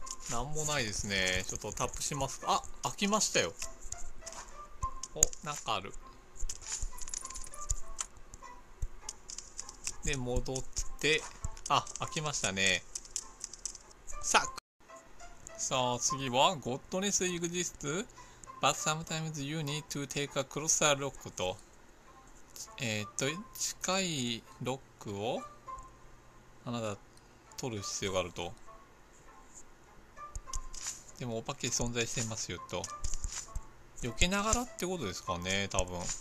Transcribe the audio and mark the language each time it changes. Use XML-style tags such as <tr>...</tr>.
<ja>なんもないですね。ちょっとタップします。あ、開きましたよ。お、なんかある。で、戻って、あ、開きましたね。</ja> <en>さあ、さあ、次は、 Godness exists, but sometimes you need to take a closer look と。</en> <ja>近いロックを、あなた、取る必要があると。でも、お化け存在してますよと。避けながらってことですかね、多分。</ja>